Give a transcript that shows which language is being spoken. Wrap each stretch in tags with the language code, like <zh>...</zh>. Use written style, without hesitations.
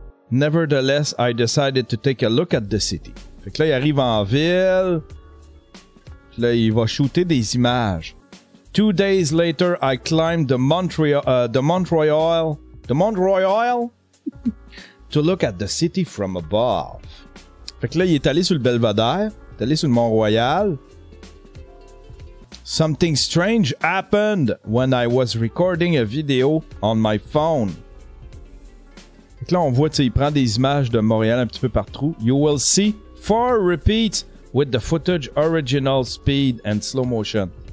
<en>Nevertheless, I decided to take a look at the city.</en> <fr>Fait que là, il arrive en ville. Puis là, il va shooter des images.</fr> <en>2 days later, I climbed the Mont Royal, to look at the city from above.</en> <fr>Fait que là, il est allé sur le Belvédère, est allé sur le Mont Royal.</fr> <en>Something strange happened when I was recording a video on my phone.</en> <fr>Fait que là, on voit, tu sais, il prend des images de Montréal un petit peu partout.</fr> <en>You will see 4 repeats with the footage original speed and slow motion.</en>